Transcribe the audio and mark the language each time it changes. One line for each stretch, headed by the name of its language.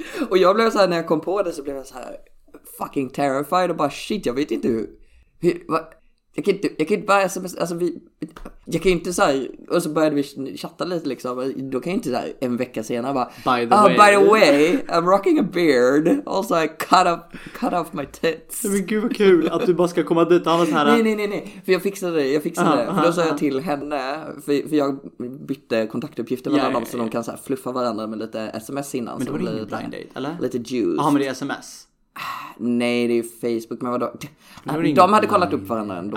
Swedish: Och jag blev så här, när jag kom på det så blev jag så här
English: fucking terrified
Swedish: och bara shit, jag vet inte hur vad. Jag kan inte bara sms, alltså vi, jag kan inte så här, och så började vi chatta lite liksom, då kan jag inte så här, en vecka senare bara,
English: by the way, I'm rocking a beard, also I cut off my tits.
Swedish: Men gud vad kul att du bara ska komma dit och ha så här. Nej, för jag fixade det, för då sa jag till henne, för jag bytte kontaktuppgifter med varandra så de kan så här, fluffa varandra med lite sms innan. Men så det var ingen blind date, eller? Lite juice. Ja, men det är sms. Nej, det är ju Facebook, men vadå? De hade kollat upp varandra ändå.